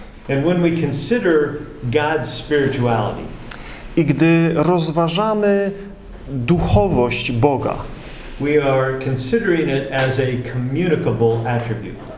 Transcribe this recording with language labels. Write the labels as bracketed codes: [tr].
[en] And when we consider God's spirituality. [pl] I gdy rozważamy duchowość Boga. [en] We are considering it as a communicable attribute.